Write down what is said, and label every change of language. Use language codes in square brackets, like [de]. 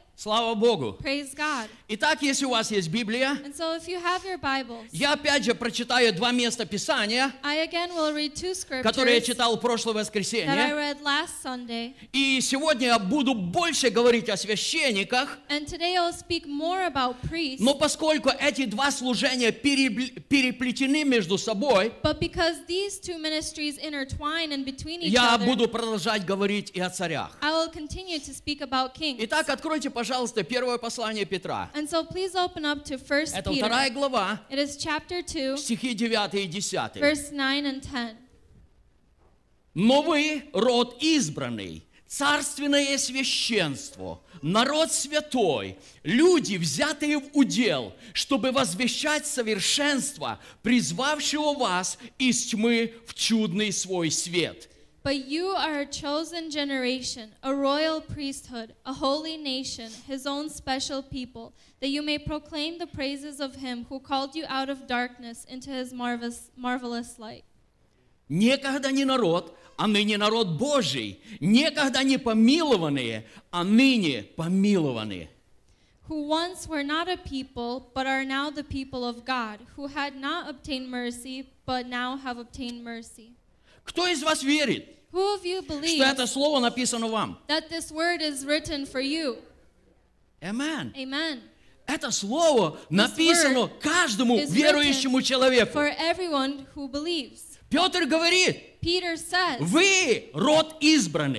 [ru] Слава Богу! [en] Praise God. [ru] Итак, если у вас есть Библия, [en] and so if you have your Bibles, [ru] я опять же прочитаю два места Писания, [en] I again will read two scriptures, [ru] которые я читал в прошлое воскресенье. [en] That I read last Sunday, [ru] и сегодня я буду больше говорить о священниках. [en] And today I will speak more about priests, [ru] но поскольку эти два служения переплетены между собой, [en] but because these two ministries intertwine in between each [ru] я [en] other, [ru] буду продолжать говорить и о царях. [en] I will continue to speak about kings. [ru] Итак, откройте, пожалуйста, первое послание Петра. [en] And so please open up to 1 Peter. [ru] Это вторая глава. [en] It is chapter 2. [ru] Стихи 9 и 10. [en] Verse 9 and 10. [ru] Но вы род избранный, царственное священство, народ святой, люди, взятые в удел, чтобы возвещать совершенство, призвавшего вас из тьмы в чудный свой свет. [en] But you are a chosen generation, a royal priesthood, a holy nation, his own special people, that you may proclaim the praises of him who called you out of darkness into his marvelous light. [ru] Некогда не народ, а ныне народ Божий. Некогда не помилованные, а ныне помилованные. [en] Who once were not a people, but are now the people of God, who had not obtained mercy, but now have obtained mercy. [ru] Кто из вас верит? [en] Who of you believe [ru] что это слово написано вам? [en] That this word is written for you. Amen. Amen. [ru] Это слово [en] this [ru] написано каждому верующему человеку. [en] For everyone who believes. [ru] Петр говорит, [en] Peter says, [ru] вы род избранный.